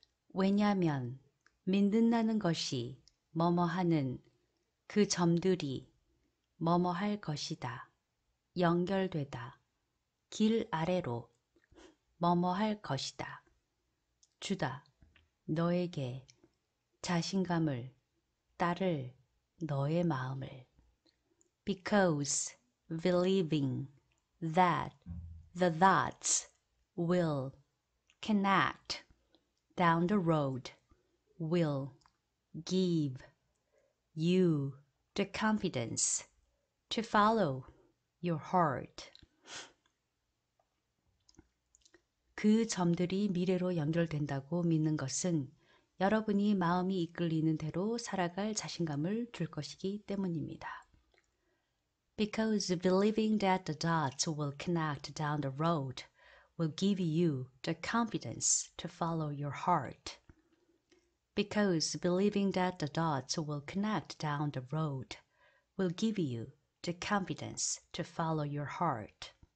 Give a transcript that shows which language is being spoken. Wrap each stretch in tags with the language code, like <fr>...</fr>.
<ko>왜냐면 믿는다는 것이 뭐뭐하는 그 점들이 뭐뭐할 것이다. 연결되다. 길 아래로 뭐뭐할 것이다. 주다. 너에게 자신감을 따를 너의 마음을.</ko> <en>Because believing that the thoughts will connect down the road will give you the confidence to follow your heart.</en> <ko>그 점들이 미래로 연결된다고 믿는 것은 여러분이 마음이 이끌리는 대로 살아갈 자신감을 줄 것이기 때문입니다.</ko> <en>Because believing that the dots will connect down the road will give you the confidence to follow your heart. Because believing that the dots will connect down the road will give you the confidence to follow your heart.</en>